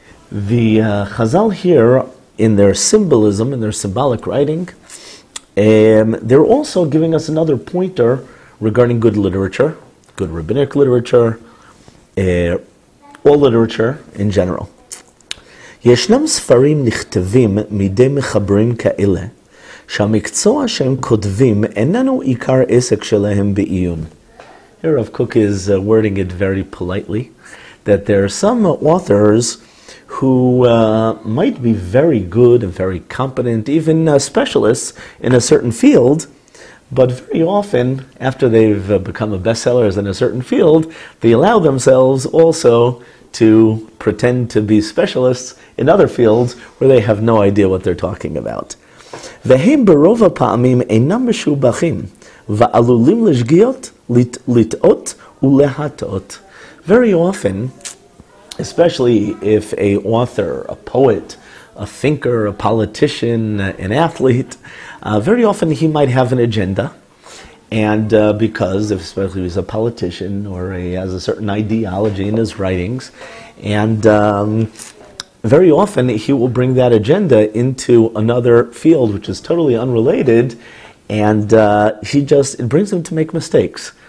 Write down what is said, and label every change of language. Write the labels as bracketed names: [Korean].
[English] The Chazal here, in their symbolism, in their symbolic writing, they're also giving us another pointer regarding good literature, good rabbinic literature, all literature in general. [Hebrew] ישנם ספרים נכתבים מידי מחברים כאלה, שהמקצוע שהם כותבים איננו עיקר עסק שלהם בעיון. [English] Here Rav Kook is wording it very politely, that there are some authors who might be very good and very competent, even specialists in a certain field, but very often, after they've become a bestseller in a certain field, they allow themselves also to pretend to be specialists in other fields where they have no idea what they're talking about. [Hebrew] והם ברוב הפעמים אינם משובחים, ועלולים לשגיאות, לטעות ולהטעות. [English] Very often, especially if a author, a poet, a thinker, a politician, an athlete, very often he might have an agenda. And because, especially if he's a politician or he has a certain ideology in his writings, and very often he will bring that agenda into another field which is totally unrelated, and it brings him to make mistakes.